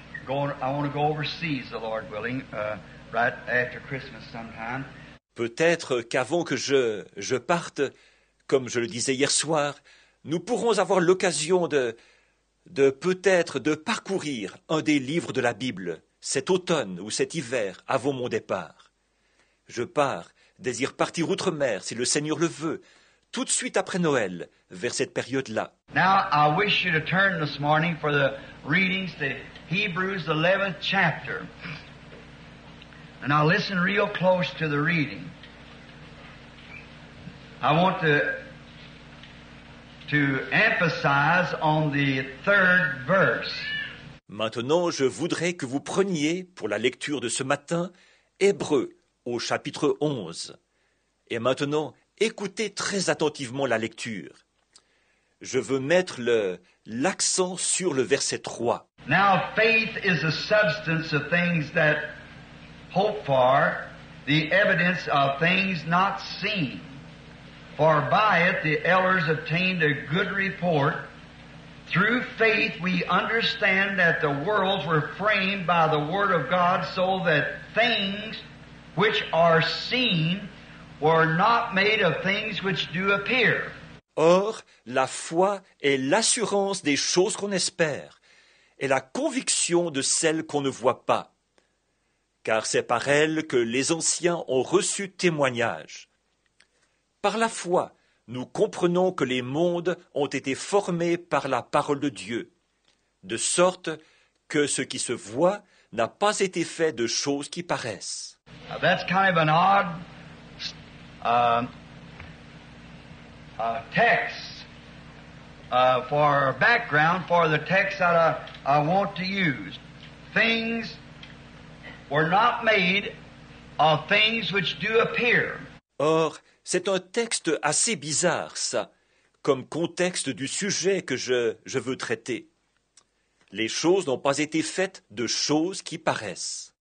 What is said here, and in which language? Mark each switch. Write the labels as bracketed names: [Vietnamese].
[English] I want to go overseas, the Lord willing. Right after Christmas sometime. [French] Peut-être qu'avant que je parte, comme je le disais hier soir, nous pourrons avoir l'occasion de peut-être de parcourir un des livres de la Bible cet automne ou cet hiver avant mon départ. Je pars, désire partir outre-mer si le Seigneur le veut, tout de suite après Noël, vers cette période-là. [English] Now I wish you to turn this morning for the readings to Hebrews 11th chapter. And I'll listen real close to the reading. I want to emphasize on the third verse. [French] Maintenant, je voudrais que vous preniez, pour la lecture de ce matin, Hébreux, au chapitre 11. Et maintenant, écoutez très attentivement la lecture. Je veux mettre l'accent sur le verset 3. [English] Now, faith is a substance of things that hope for, the evidence of things not seen. For by it the elders obtained a good report. Through faith we understand that the worlds were framed by the word of God, so that things which are seen were not made of things which do appear. [French] Or, la foi est l'assurance des choses qu'on espère, et la conviction de celles qu'on ne voit pas. Car c'est par elle que les anciens ont reçu témoignage. Par la foi, nous comprenons que les mondes ont été formés par la parole de Dieu, de sorte que ce qui se voit n'a pas été fait de choses qui paraissent. [English] Now that's kind of an odd text for background for the text that I want to use. Things were not made of things which do appear. [French] Or, c'est un texte assez bizarre, ça, comme contexte du sujet que je veux traiter. Les choses n'ont pas été faites de choses qui paraissent.